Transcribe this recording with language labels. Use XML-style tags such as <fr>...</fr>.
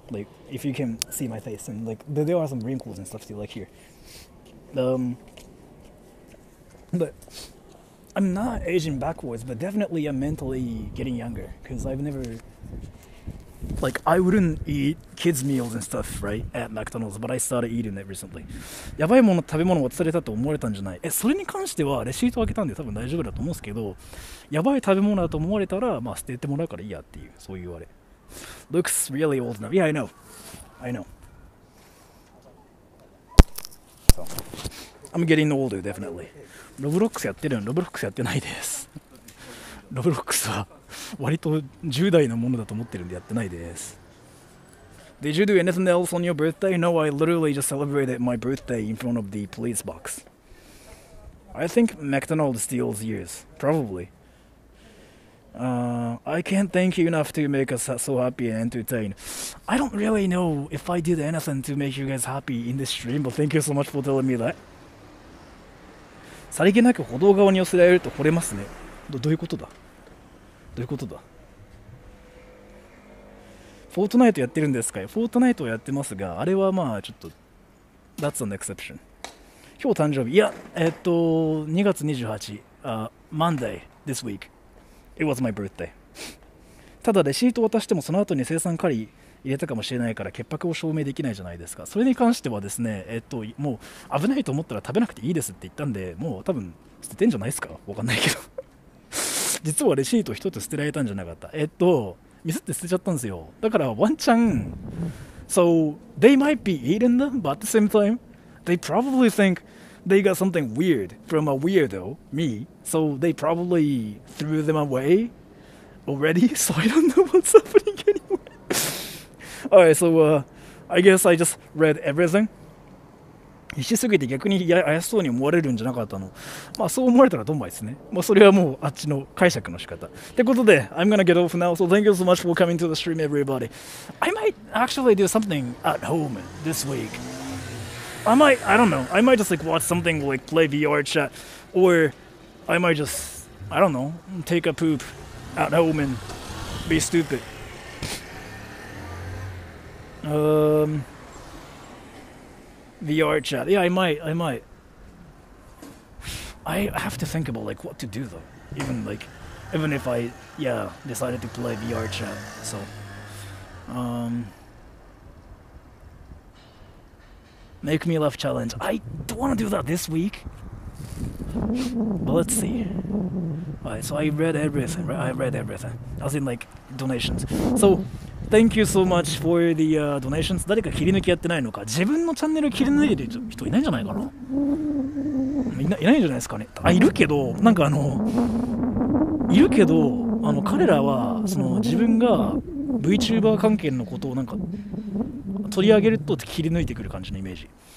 <en>Like if you can see my face, and like there are some wrinkles and stuff too, like here. But I'm not aging backwards, but definitely I'm mentally getting younger, because I've never, like, I wouldn't eat kids meals and stuff, right, at McDonald's, but I started eating it recently.</en> <ja>やばいもの、食べ物忘れたと思われたんじゃない。え、それに関してはレシートを開けたんで多分大丈夫だと思うんですけど、やばい食べ物だと思われたら、まあ捨ててもらうからいいやっていう、そういうあれ。</ja> <en>Looks really old now. Yeah, I know. I'm getting older, definitely.</en> <ja>ロブロックスやってるの？ロブロックスやってないです。ロブロックスは割と10代のものだと思ってるんでやってないです。</ja> <en>Did you do anything else on your birthday? No, I literally just celebrated my birthday in front of the police box. I think McDonald's steals years, probably. I can't thank you enough to make us so happy and entertained. I don't really know if I did anything to make you guys happy in this stream, but thank you so much for telling me that.</en> <ja>さりげなく歩道側に寄せられると惚れますね。どういうことだ、どういうことだ。フォートナイトやってるんですかい。フォートナイトをやってますが、あれはまあちょっと</ja> <en>That's an exception。</en> <ja>今日誕生日、いや2月28日、</ja> <en>Monday this week It was my birthday。</en> <ja>ただレシート渡してもその後に生産借り入れたかもしれないから潔白を証明できないじゃないですか。それに関してはですね、もう危ないと思ったら食べなくていいですって言ったんで、もう多分捨ててんじゃないですか、わかんないけど。実はレシート一つ捨てられたんじゃなかった。ミスって捨てちゃったんですよ。だからワンチャン、</ja> <en>So they might be eating them, but at the same time, they probably think they got something weird from a weirdo, me, so they probably threw them away already, so I don't know what's happening anymore. Alright, so I guess I just read everything.</en> <ja>しすぎて逆に怪しそうに思われるんじゃなかったの。まあそう思われたらどんまいですね。まあそれはもうあっちの解釈の仕方。ってことで、</ja> <en>I'm gonna get off now. So thank you so much for coming to the stream, everybody. I might actually do something at home this week. I might just like watch something, like play VR chat, or I might just, I don't know, take a poop at home and be stupid. VR chat. Yeah, I might. I have to think about like what to do though. Even like, even if I, yeah, decided to play VR chat, so. Make me laugh challenge. I don't want to do that this week. But let's see. Alright, so I read everything. As in, like, donations. So, thank you so much for the donations.</en> <ja>誰か切り抜きやってないのか自分のチャンネル切り抜いてる人いないんじゃないかな いないんじゃないですかね。あ、いるけど、なんかあの、いるけど、あの、彼らは、その、自分が VTuber 関係のことをなんか、取り上げると切り抜いてくる感じのイメージ。</ja>